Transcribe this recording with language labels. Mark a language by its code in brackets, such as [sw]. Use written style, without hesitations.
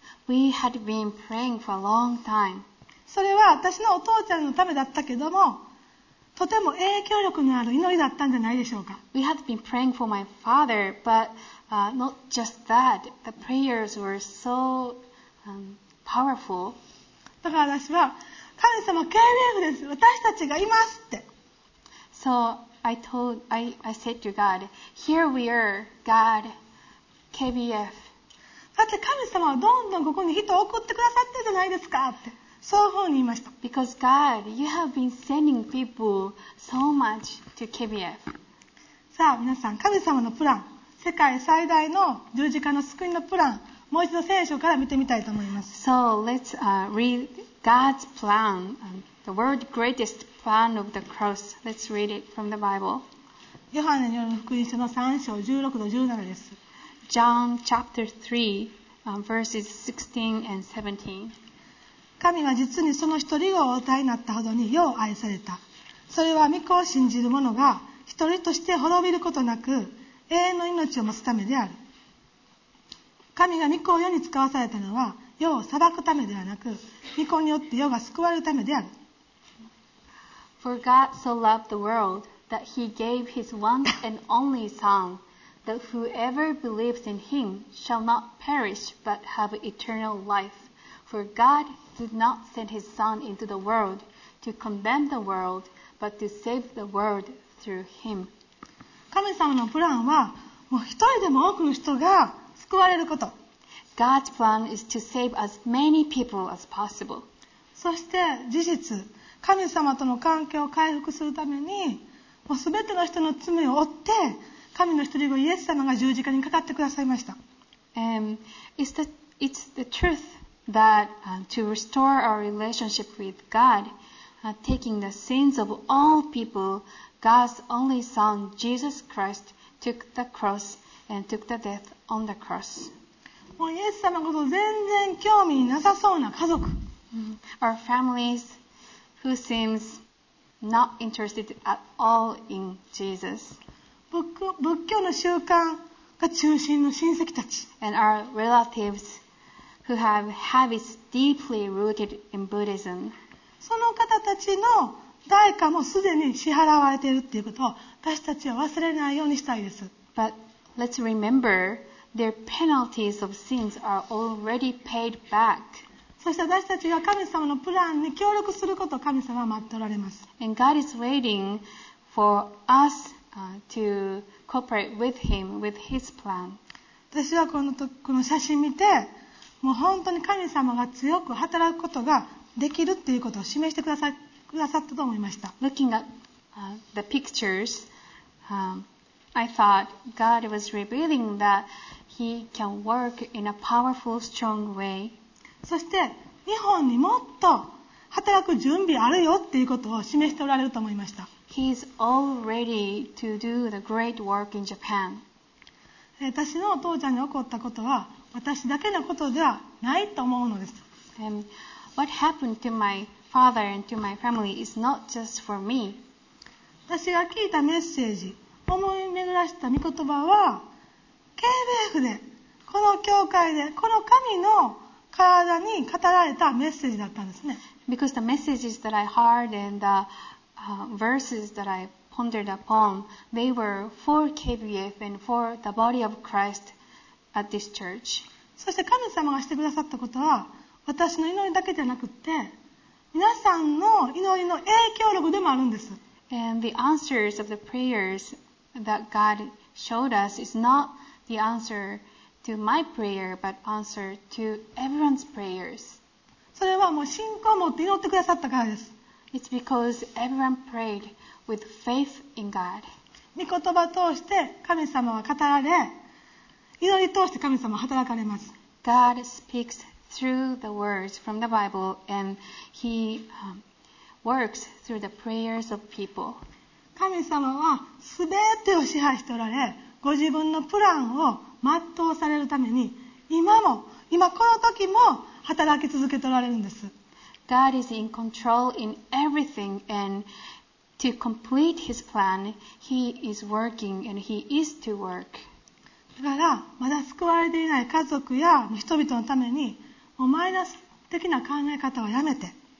[en] We had been praying for a long time. [ja] それは私のお父ちゃんのためだったけども、とても影響力のある祈りだったんじゃないでしょうか。 [en] We have been praying for my father, but not just that. The prayers were so powerful. [ja] だから私は神様 KBF です。私たちがいますって。 [en] So I said to God, here we are, God, KBF. [ja] だって神様はどんどんここに人を送ってくださってるじゃないですかって。そういうふうに言いました。 [en] Because God, you have been sending people so much to KBF. [ja] さあ皆さん、神様のプラン、世界最大の十字架の救いのプラン、もう一度聖書から見てみたいと思います。 [en] So let's read God's plan, the world's greatest plan of the cross. Let's read it from the Bible. [ja] ヨハネによる福音書の3章16と17です。 [en] John chapter 3, verses 16 and 17. [ja] 神は実にその一人をお与えになったほどによう愛された。それは御子を信じる者が一人として滅びることなく永遠の命を持つためである。神が御子を世に使わされたのは世を裁くためではなく御子によって世が救われるためである。 [en] For God so loved the world that he gave his one and only Son, that whoever believes in him shall not perish but have eternal life. For GodDid not send his son into the world to condemn the world, but to save the world through him. [ja] 神様のプランは、もう一人でも多くの人が救われること。 [en] God's plan is to save as many people as possible. [ja] そして事実、神様との関係を回復するために、もうすべての人の罪を負って、神の一人子イエス様が十字架にかかってくださいました。 [en] It's the truth. That to restore our relationship with God, taking the sins of all people, God's only Son, Jesus Christ, took the cross and took the death on the cross. [ja] もうイエス様のこと全然興味なさそうな家族。 [en] Our families who seems not interested at all in Jesus. [ja] 仏教の習慣が中心の親戚たち。 [en] And our relatives. Who have habits deeply rooted in Buddhism. [ja] その方たちの代価もすでに支払われているっていうことを私たちは忘れないようにしたいです。 [en] But let's remember their penalties of sins are already paid back. [ja] そして私たちが神様のプランに協力することを神様は待っておられます。 [en] And God is waiting for us to cooperate with Him with His plan. [ja] 私はこの写真見て。もう本当に神様が強く働くことができるっていうことを示してくださったと思いました。 [en] Looking at the pictures, I thought God was revealing that He can work in a powerful, strong way. [ja] そして日本にもっと働く準備あるよっていうことを示しておられると思いました。 [en] He's all ready to do the great work in Japan. [ja] 私のお父ちゃんに起こったことは私だけのことではないと思うのです。 [en] What happened to my father and to my family is not just for me. [ja] 私が聞いたメッセージ、思い巡らした御言葉は、KBF で、この教会で、この神の体に語られたメッセージだったんですね。 [en] Because the messages that I heard and the verses that I pondered upon, they were for KBF and for the body of Christ. At this church. [ja] そして神様がしてくださったことは私の祈りだけじゃなくて皆さんの祈りの影響力でもあるんです。 [en] And the answers of the prayers that God showed us is not the answer to my prayer, but answer to everyone's prayers. [ja] それはもう信仰を持って祈ってくださったからです。 [en] It's because everyone prayed with faith in God. [ja] 御言葉を通して神様は語られ祈り通して神様は働かれます。 [en] God speaks through the words from the Bible and He works through the prayers of people. [ja] 神様はすべてを支配しておられ、ご自分のプランを全うされるために、今この時も働き続けておられるんです。 [en] God is in control in everything and to complete His plan, He is working and He is to work. [ja] だからまだ救われていない家族や人々のためにもうマイナス的な考え方はやめて。